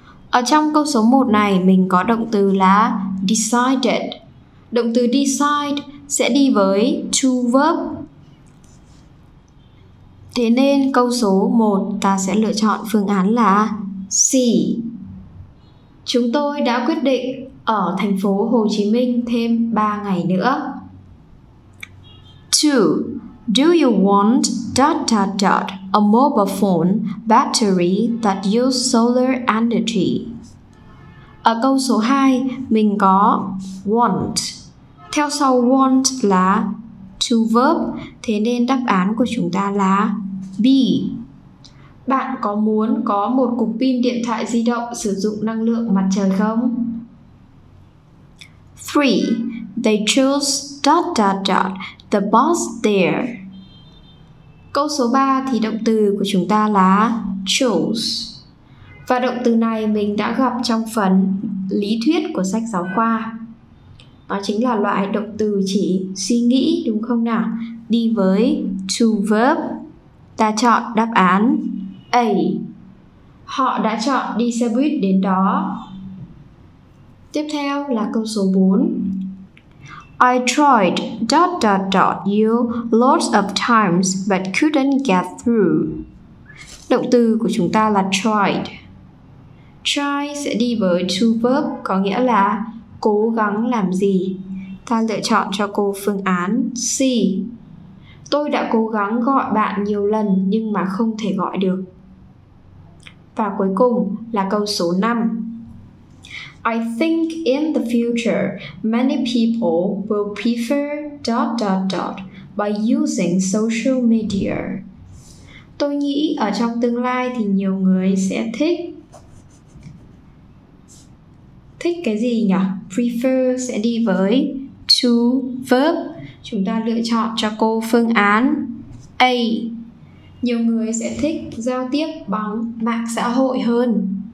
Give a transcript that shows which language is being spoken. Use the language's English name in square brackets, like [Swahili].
[Vietnamese] Ở trong câu số 1 này mình có động từ là decided. Động từ decide sẽ đi với to verb Thế nên câu số 1 ta sẽ lựa chọn phương án là C. Chúng tôi đã quyết định ở thành phố Hồ Chí Minh thêm 3 ngày nữa. 2. [English] Do you want dot dot dot a mobile phone battery that uses solar energy? [Vietnamese] Ở câu số 2, mình có want. Theo sau want là to verb, thế nên đáp án của chúng ta là B. Bạn có muốn có một cục pin điện thoại di động sử dụng năng lượng mặt trời không? 3. [English] They choose dot dot dot the bus there. [Vietnamese] Câu số 3 thì động từ của chúng ta là chose. Và động từ này mình đã gặp trong phần lý thuyết của sách giáo khoa. Nó chính là loại động từ chỉ suy nghĩ, đúng không nào? Đi với to verb. Ta chọn đáp án A. Họ đã chọn đi xe buýt đến đó. Tiếp theo là câu số 4. [English] I tried dot dot dot you lots of times but couldn't get through. [Vietnamese] Động từ của chúng ta là tried. Try sẽ đi với to verb, có nghĩa là cố gắng làm gì. Ta lựa chọn cho cô phương án C. Tôi đã cố gắng gọi bạn nhiều lần nhưng mà không thể gọi được. Và cuối cùng là câu số 5. [English] I think in the future, many people will prefer dot dot dot by using social media. [Vietnamese] Tôi nghĩ ở trong tương lai thì nhiều người sẽ thích. Thích cái gì nhỉ? Prefer sẽ đi với to verb. Chúng ta lựa chọn cho cô phương án A. Nhiều người sẽ thích giao tiếp bằng mạng xã hội hơn.